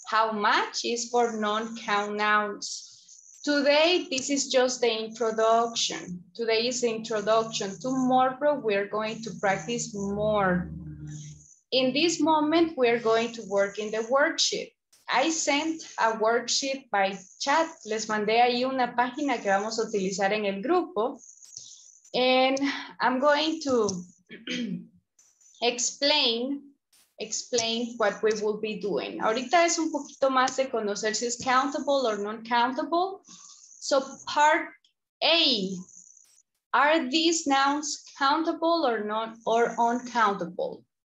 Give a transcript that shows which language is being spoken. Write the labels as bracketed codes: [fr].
[en] How much is for non-count nouns? Today, this is just the introduction. Today is the introduction. Tomorrow, we're going to practice more. In this moment, we're going to work in the worksheet. I sent a worksheet by chat. [es] Les mandé ahí una página que vamos a utilizar en el grupo. [en] And I'm going to explain what we will be doing. [es] Ahorita es un poquito más de conocer si es [en] countable or non-countable. So part A, are these nouns countable or not or uncountable?